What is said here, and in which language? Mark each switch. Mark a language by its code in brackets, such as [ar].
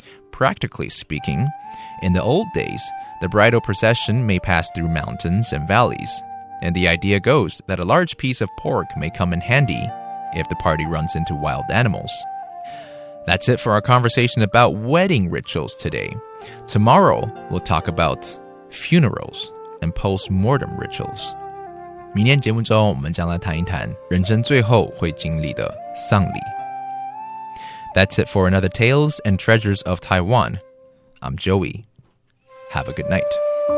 [en] Practically speaking, in the old days, the bridal procession may pass through mountains and valleys, and the idea goes that a large piece of pork may come in handy if the party runs into wild animals. That's it for our conversation about wedding rituals today. Tomorrow, we'll talk about funerals and post-mortem rituals. [zh] 明天节目中，我们将来谈一谈人生最后会经历的丧礼。 [en] That's it for another Tales and Treasures of Taiwan. I'm Joey. Have a good night.